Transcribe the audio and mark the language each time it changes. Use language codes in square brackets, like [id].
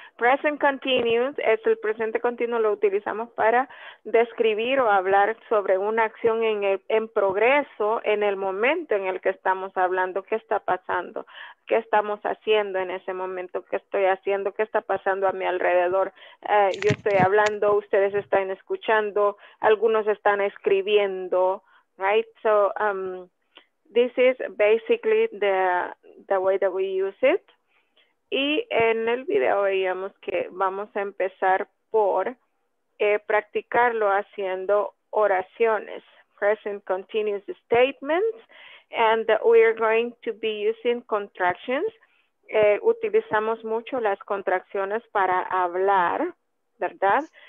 [es] Present continuous es el presente continuo, lo utilizamos para describir o hablar sobre una acción en progreso en el momento en el que estamos hablando. ¿Qué está pasando? ¿Qué estamos haciendo en ese momento? ¿Qué estoy haciendo? ¿Qué está pasando a mi alrededor? Yo estoy hablando, ustedes están escuchando, algunos están escribiendo, right? [en] So, this is basically the way that we use it. [es] Y en el video veíamos que vamos a empezar por practicarlo haciendo oraciones. [en] Present continuous statements. And we are going to be using contractions. [es] utilizamos mucho las contracciones para hablar, ¿verdad?